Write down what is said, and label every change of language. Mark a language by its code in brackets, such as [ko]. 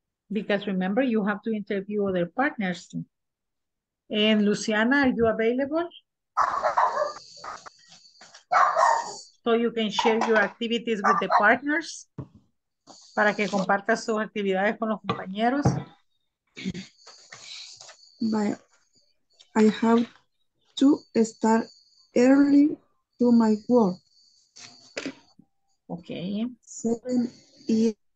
[en] Because remember, you have to interview other partners. And Luciana, are you available? So you can share your activities with the partners. [es] Para que comparta sus actividades con los compañeros. [en] But I have to start early to my work. Okay. 7 years.